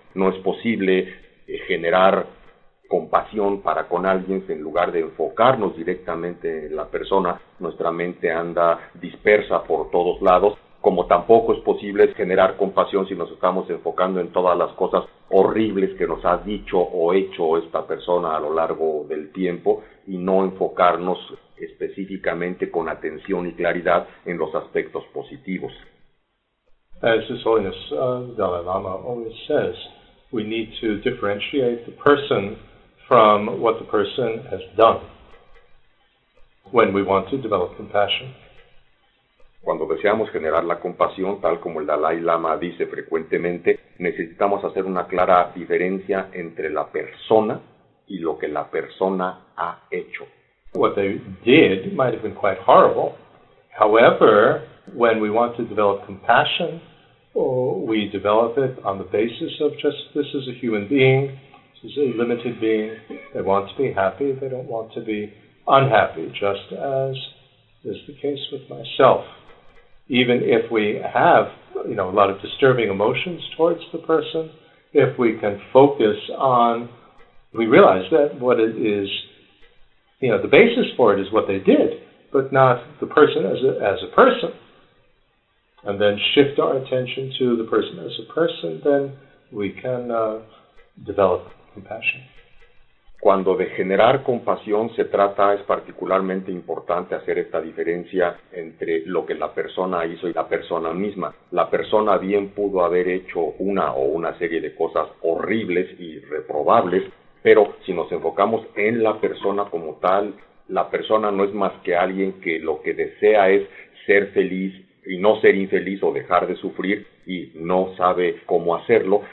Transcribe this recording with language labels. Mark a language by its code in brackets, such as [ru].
[es] No es posible generar compasión para con alguien, en lugar de enfocarnos directamente en la persona, nuestra mente anda dispersa por todos lados, como tampoco es posible generar compasión si nos estamos enfocando en todas las cosas horribles que nos ha dicho o hecho esta persona a lo largo del tiempo, y no enfocarnos específicamente con atención y claridad en los aspectos positivos. [en] As His Holiness Dalai Lama always says, we need to differentiate the person from what the person has done when we want to develop compassion. [es] Cuando deseamos generar la compasión, tal como el Dalai Lama dice frecuentemente, necesitamos hacer una clara diferencia entre la persona y lo que la persona ha hecho. [en] What they did might have been quite horrible. However, when we want to develop compassion, oh, we develop it on the basis of just, this is a human being, this is a limited being, they want to be happy, they don't want to be unhappy, just as is the case with myself. Even if we have, you know, a lot of disturbing emotions towards the person, if we can focus on, we realize that what it is, you know, the basis for it is what they did, but not the person as a person. And then shift our attention to the person as a person, then we can develop compassion. [es] Cuando de generar compasión se trata, es particularmente importante hacer esta diferencia entre lo que la persona hizo y la persona misma. La persona bien pudo haber hecho una o una serie de cosas horribles y reprobables, pero si nos enfocamos en la persona como tal, la persona no es más que alguien que lo que desea es ser feliz y no ser infeliz o dejar de sufrir, y no sabe cómo hacerlo.